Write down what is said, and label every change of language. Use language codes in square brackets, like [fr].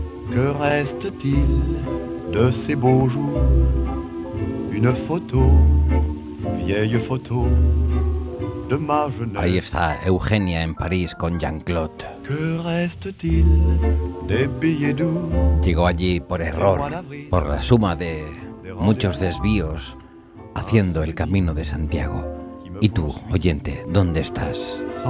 [fr] Que reste-t-il de ces beaux jours? Une photo, vieille photo de ma jeunesse. [es] Ahí está Eugenia en París con Jean-Claude. [fr] Que reste-t-il des billets doux? [es] Llegó allí por error, por la suma de muchos desvíos, haciendo el camino de Santiago. Y tú, oyente, ¿dónde estás?